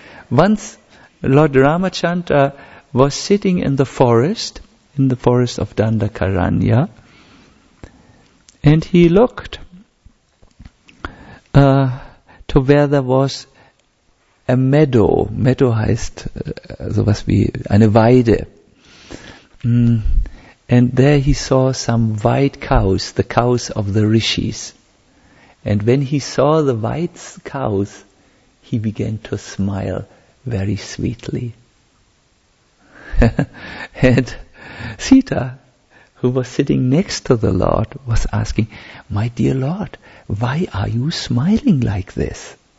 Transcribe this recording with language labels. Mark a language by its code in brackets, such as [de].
[en] Once Lord Ramachandra was sitting in the forest of Dandakaranya, and he looked to where there was a meadow. [de] Meadow heißt sowas wie eine Weide. [en] And there he saw some white cows, the cows of the rishis. And when he saw the white cows, he began to smile very sweetly. And Sita, who was sitting next to the Lord, was asking, "My dear Lord, why are you smiling like this?"